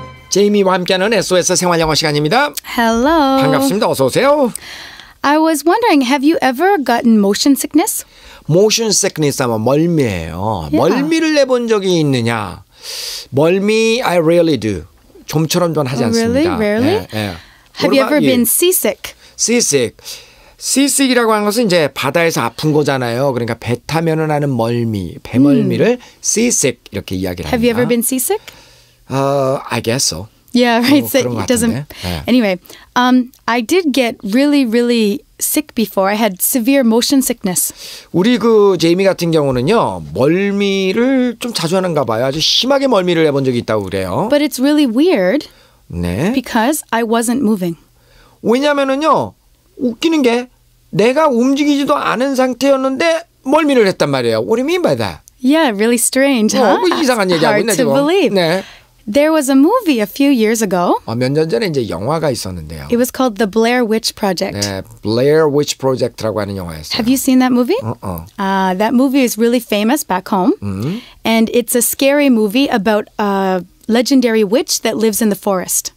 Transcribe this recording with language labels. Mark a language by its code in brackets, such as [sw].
[ko] 제이미와 함께하는 SOS 생활영어 시간입니다. [en] Hello. [ko] 반갑습니다. 어서 오세요. [en] I was wondering, have you ever gotten motion sickness? [ko] Motion sickness 하면 멀미예요. [en] Yeah. [ko] 멀미를 내본 적이 있느냐? 멀미, [en] I rarely do. [ko] 좀처럼 전 하지 않습니다. [en] Really? Rarely? [ko] 예, 예. [en] Have you ever been seasick? Seasick. [ko] Seasick이라고 하는 것은 이제 바다에서 아픈 거잖아요. 그러니까 배 타면은 하는 멀미, 배멀미를 seasick 이렇게 이야기를 합니다. [en] Have you ever been seasick? I guess so. Yeah, right. So it doesn't. Anyway, I did get really, really sick before. I had severe motion sickness. [ko] 우리 그 제이미 같은 경우는요, 멀미를 좀 자주 하는가 봐요. 아주 심하게 멀미를 해본 적이 있다고 그래요. [en] But it's really weird. [ko] 네. [en] Because I wasn't moving. [ko] 왜냐면은요, 웃기는 게 내가 움직이지도 않은 상태였는데 멀미를 했단 말이에요. [en] What do you mean by that? Yeah, really strange. [ko] 너무 뭐 이상한 얘기하고 있네 지금. [en] Hard to believe. [ko] 네. [en] There was a movie a few years ago. [ko] 몇 년 전에 이제 영화가 있었는데요. [en] It was called The Blair Witch Project. [ko] 네, Blair Witch Project라고 하는 영화였어요. [en] Have you seen that movie? That movie is really famous back home. Mm-hmm. And it's a scary movie about a legendary witch that lives in the forest.